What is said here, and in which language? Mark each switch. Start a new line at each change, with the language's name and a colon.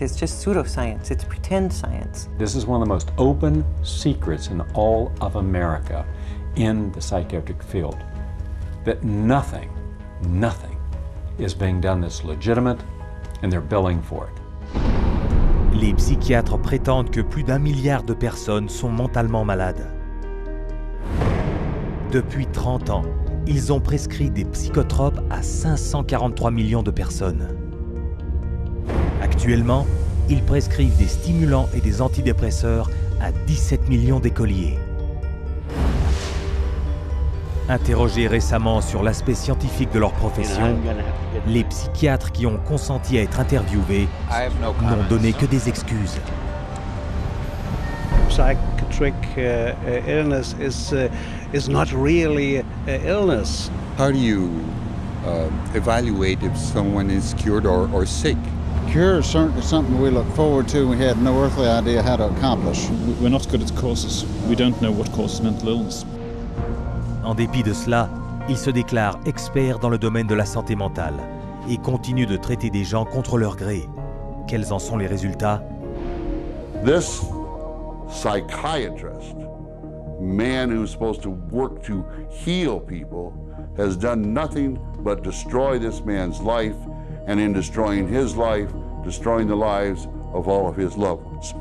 English: It's just pseudoscience. It's pretend science. This is one of the most open secrets in all of America in the psychiatric field, that nothing is being done that's legitimate, and they're billing for it.
French: Les psychiatres prétendent que plus d'un milliard de personnes sont mentalement malades. Depuis 30 ans, ils ont prescrit des psychotropes à 543 millions de personnes. Actuellement, ils prescrivent des stimulants et des antidépresseurs à 17 millions d'écoliers. Interrogés récemment sur l'aspect scientifique de leur profession, les psychiatres qui ont consenti à être interviewés n'ont donné que des excuses.
English: Psychiatric illness is not really an illness. How do you evaluate if someone is cured or sick? Cure is certainly something we look forward to. We had no earthly idea how to accomplish. We're not good at causes. We don't know what causes mental illness.
French: En dépit de cela, il se déclare expert dans le domaine de la santé mentale et continue de traiter des gens contre leur gré. Quels en sont les résultats?
English: This psychiatrist, man who's supposed to work to heal people, has done nothing but destroy this man's life, and in destroying his life, destroying the lives of all of his loved ones.